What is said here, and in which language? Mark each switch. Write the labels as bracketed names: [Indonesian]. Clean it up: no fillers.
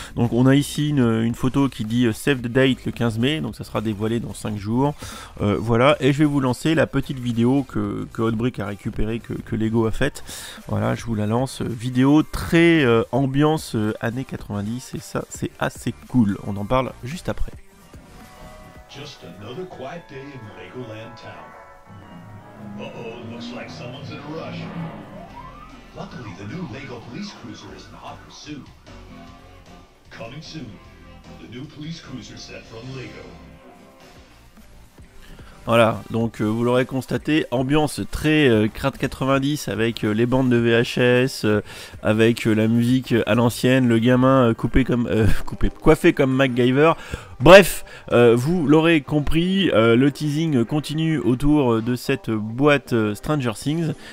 [French] Donc, on a ici une photo qui dit « Save the date » le 15 mai, donc ça sera dévoilé dans 5 jours. Voilà, et je vais vous lancer la petite vidéo que Hotbrick a récupérée, que Lego a faite. Voilà, je vous la lance. Vidéo très ambiance années 90, et ça, c'est assez cool. On en parle juste après. [English] Just another quiet day in Legoland Town. Uh-oh, looks like someone's in a rush. Luckily, the new Lego police cruiser is in hot pursuit. Coming soon, the new police cruiser set from Lego. [French] Voilà, donc vous l'aurez constaté, ambiance très crade 90 avec les bandes de VHS, avec la musique à l'ancienne, le gamin coupé comme coiffé comme MacGyver. Bref, vous l'aurez compris, le teasing continue autour de cette boîte Stranger Things.